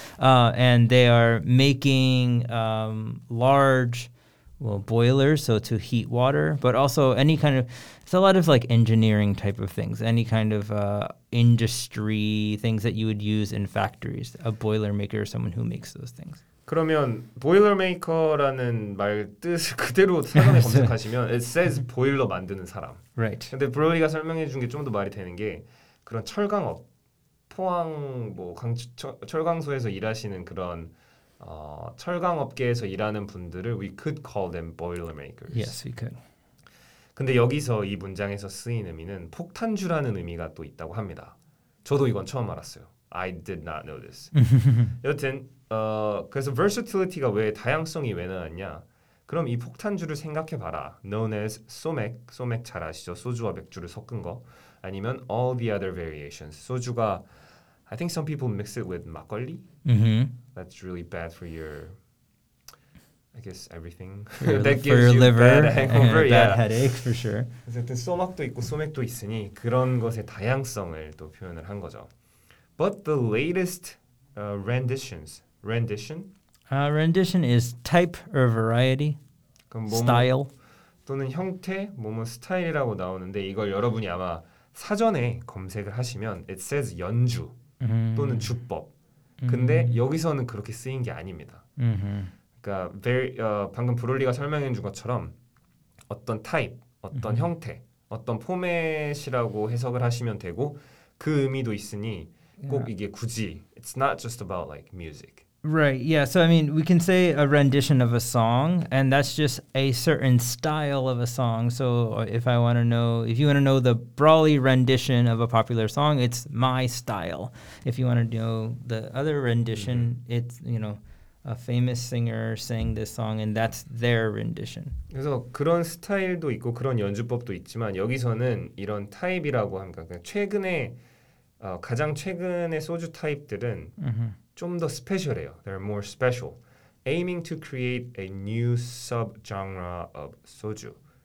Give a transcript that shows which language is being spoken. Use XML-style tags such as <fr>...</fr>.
<en>And they are making large boilers, so to heat water, but also any kind of, it's a lot of like engineering type of things, any kind of industry things that you would use in factories. A boiler maker is someone who makes those things.</en> <ko>그러면 보일러메이커라는 말 뜻을 그대로 사전에 검색하시면</ko> <en>it says</en> <ko>보일러 만드는 사람.</ko> <en>Right.</en> <ko>근데 브로리가 설명해 준 게 좀 더 말이 되는 게 그런 철강업, 포항 뭐 철강소에서 일하시는 그런 철강업계에서 일하는 분들을</ko> <en>we could call them boilermakers. Yes, we could.</en> <ko>근데 여기서 이 문장에서 쓰인 의미는 폭탄주라는 의미가 또 있다고 합니다. 저도 이건 처음 알았어요.</ko> <en>I did not know this.</en> <ko>여튼 그래서 versatility가 왜 다양성이 왜 나왔냐? 그럼 이 폭탄주를 생각해 봐라.</ko> <en>Known as</en> <ko>소맥, 소맥 잘 아시죠? 소주와 맥주를 섞은 거. 아니면</ko> <en>all the other variations. 소주가 I think some people mix it with 막걸리. Mm-hmm. That's really bad for your, I guess everything. For your liver, bad headache for sure. 어쨌든 소맥도 있고 소맥도 있으니 그런 것의 다양성을 또 표현을 한 거죠. But the latest renditions. Rendition? Rendition is type or variety.</en> <ko>뭐뭐,</ko> <en>style.</en> <ko>또는 형태, 뭐뭐 스타일이라고 나오는데 이걸 여러분이 아마 사전에 검색을 하시면</ko> <en>it says</en> <ko>연주 또는 주법. 근데 여기서는 그렇게 쓰인 게 아닙니다. 그러니까 방금 브롤리가 설명해 준 것처럼 어떤 타입, 어떤 mm-hmm. 형태, 어떤 포맷이라고 해석을 하시면 되고 그 의미도 있으니 꼭 yeah. 이게 굳이</ko> <en>it's not just about like music. Right. Yeah. So I mean, we can say a rendition of a song, and that's just a certain style of a song. So if I want to know, if you want to know the Brawley rendition of a popular song, it's my style. If you want to know the other rendition, mm-hmm. it's, you know, a famous singer sang this song, and that's their rendition.</en> <ko>그래서 그런 스타일도 있고 그런 연주법도 있지만 여기서는 이런 타입이라고 합니다. 최근에 가장 최근의 소주 타입들은 mm-hmm. 좀 더 스페셜해요.</ko> <en>They're more special. Aiming to create a new sub-genre of 소주.</en>